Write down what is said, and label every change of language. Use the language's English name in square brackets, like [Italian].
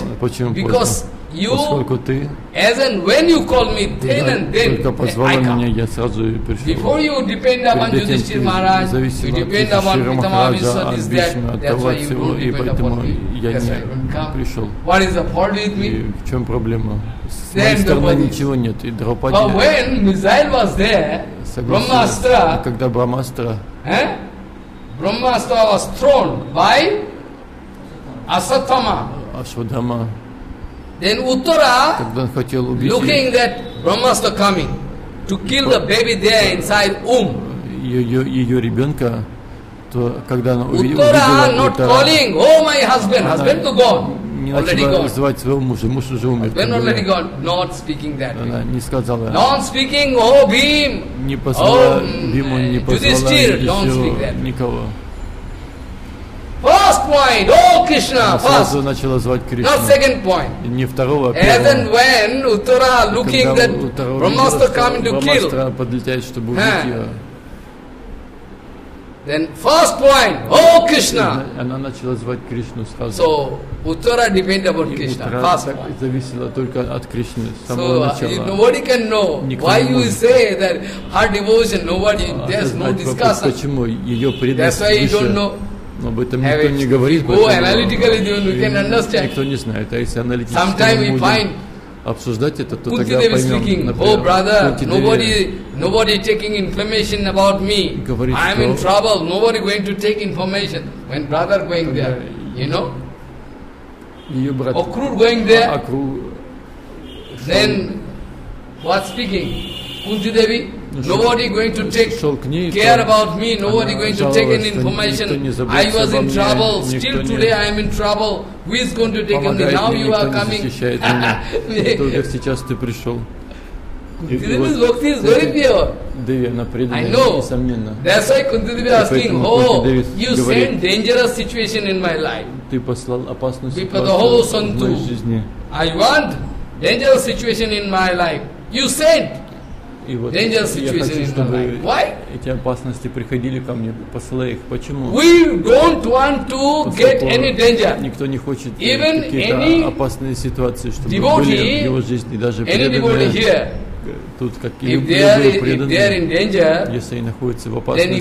[English] Because you, as and when you call me, then and then, I come. Before you depend upon Yudhishthira Maharaj, you depend upon Pitamaha Vishwa, this, that, that's why you don't depend upon me. [Russian] Я не пришел. [English] What is the problem with me? [Russian] В чем проблема? С моей стороны ничего нет. И Драупади. [English] But when missile was there, Brahmastra. [Russian] Когда Брахмастра. [English] Brahmastra was thrown by Ashwatthama. Ashwatthama. Then Uttara. [Russian] Когда он хотел убить. [English] Looking that Brahmastra coming to kill the baby there inside womb. [Russian] Ее ребенка. То, когда она [English] Uttara not [Russian] это, [English] calling, oh my husband, husband to God, [Russian] не [English] already gone. [Russian] Звать своего мужа, муж уже умер. [English] Husband already gone, not speaking that. [Russian] Она не сказала. [English] Not speaking, oh Bhim. [Russian] Не позвала Бхима, не позвала никого. [English] First point, oh Krishna, first. [Russian] Сразу начала звать Кришну. [English] Not second point. [Russian] Не второго, а первого. [English] As and when Uttara looking that Brahmastra coming to kill. [Russian] Брахмастра подлетает, чтобы убить ее. [English] Then first point, oh Krishna. [Russian] Она начала звать Кришну сразу. [English] So Uttara depend upon Krishna. First point. [Russian] Зависела только от Кришны с самого начала. [English] So nobody can know why you say that her devotion. Nobody, there's no discussion. [Russian] Почему ее преданность выше? [English] That's why you don't know. [Russian] Но об этом никто не говорит. [English] Go analytically, then we can understand. [Russian] Никто не знает, а если аналитически. [English] Sometimes we find. [Russian] Обсуждать это, то тогда поймем, например, [English] oh, brother, nobody taking information about me. [Russian] Говорит, [English] I am in trouble. Nobody going to take information. When brother going there, you know? [Russian] Ее брат. [English] Акру going there. [Russian] Акру. [English] Then, what speaking? Кунти Деви. Nobody going to take care about me. Nobody going to take any information. I was in trouble. Still today I am in trouble. Who is going to take me? Now you are coming. [Russian] Только сейчас ты пришел. [English] Кунтидеви's Bhakti is very pure. I know. That's why Kuntidevi is asking, oh, you sent dangerous situation in my life. [Russian] Ты послал опасную ситуацию в моей жизни. [English] I want dangerous situation in my life. You sent. [Russian] И вот я хочу, чтобы эти опасности приходили ко мне, посылай их. Почему? Никто не хочет какие-то опасные ситуации, чтобы были в его жизни, даже преданные. Тут какие-либо преданные, если они находятся в опасности,